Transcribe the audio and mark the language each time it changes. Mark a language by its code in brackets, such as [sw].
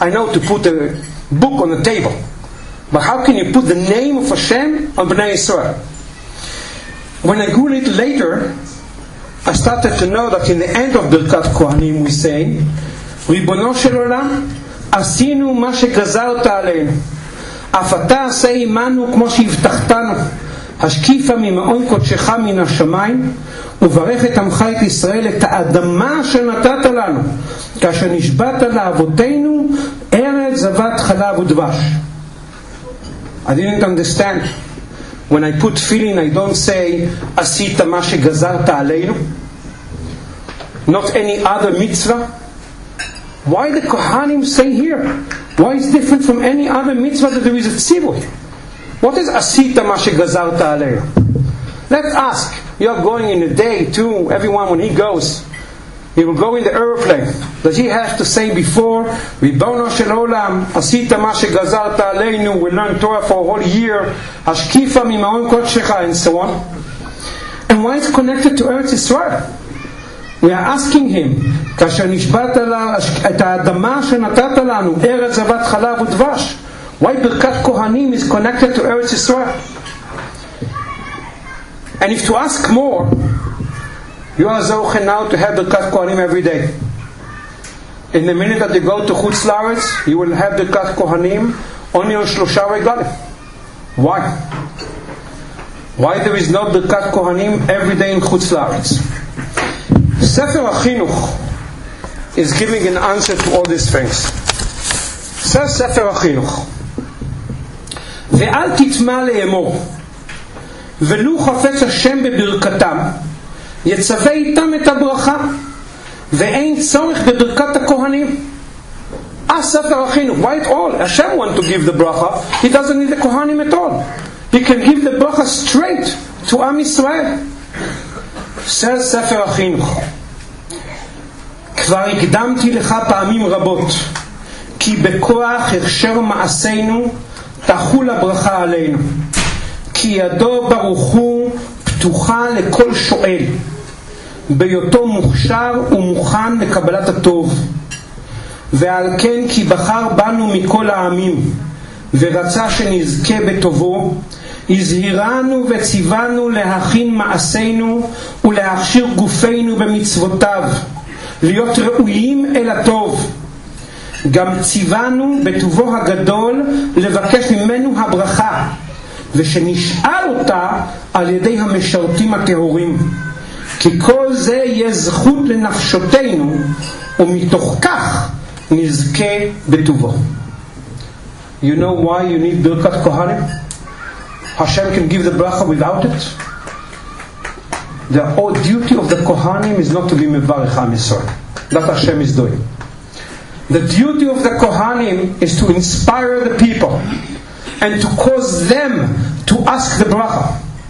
[en] I know to put a book on the table. But how can you put the name of Hashem on Bnei Yisrael? When I grew a little later, I started to know that in the end of Birkat Kohanim we say, [he] Ribono shel Olam, Asinu ma shegazarta aleinu. אף אתה עשה עמנו כמו שהבטחתנו, השקיפה ממעון קודשך מן השמיים, וברך את עמך את ישראל, את האדמה שנתת לנו, כאשר נשבעת לאבותינו, ארץ זבת חלב ודבש. [en] I didn't understand. When I put feeling, I don't say, [he] עשית מה שגזרת עלינו. [en] Not any other mitzvah. Why the Kohanim say here? Why is it different from any other mitzvah that there is a tzivui? What is [he] asita ma shegazarta aleinu? [en] Let's ask. You are going in a day, too. Everyone, when he goes, he will go in the airplane. Does he have to say before, [he] Ribono shel Olam, asita ma shegazarta aleinu, [en] we learn Torah for a whole year, [he] Hashkifa mimaon kodshecha, [en] and so on. And why is it connected to Eretz Yisrael? We are asking him, [he] כאשר נשבעת את האדמה שנתת לנו, ארץ זבת חלב ודבש, [en] Why Birkat Kohanim is connected to Eretz Yisrael? And if to ask more, you are zoche now to have Birkat Kohanim every day. In the minute that you go to Chutz Laretz, you will have Birkat Kohanim only on Shlosha Regalim. Why? Why there is not Birkat Kohanim every day in Chutz Laretz? Sefer HaChinuch is giving an answer to all these things. [he] Says Sefer HaChinuch, Ve'al titma le'emor, ולו חפץ השם בברכתם, יצווה איתם את הברכה, ואין צורך בברכת הכהנים. [en] Ask Sefer HaChinuch, why at all? Hashem wants to give the bracha, he doesn't need the kohanim at all. He can give the bracha straight to Am Yisrael. [he] Says Sefer HaChinuch, כבר הקדמתי לך פעמים רבות, כי בכוח הכשר מעשינו, תחול הברכה עלינו. כי ידו ברוך הוא פתוחה לכל שואל, ביותו מוכשר ומוכן לקבלת הטוב. ועל כן כי בחר בנו מכל העמים, ורצה שנזכה בטובו, הזהירנו וציוונו להכין מעשינו ולהכשיר גופנו במצוותיו, להיות ראויים אל הטוב. גם ציוונו בטובו הגדול לבקש ממנו הברכה, ושנשאל אותה על ידי המשרתים הטהורים, כי כל זה יהיה זכות לנפשותינו, ומתוך כך נזכה בטובו. [en] You know why you need ברכת כהנים? Hashem can give the bracha without it. The whole duty of the kohanim is not to be mevarech Am Yisrael. That Hashem is doing. The duty of the kohanim is to inspire the people and to cause them to ask the bracha.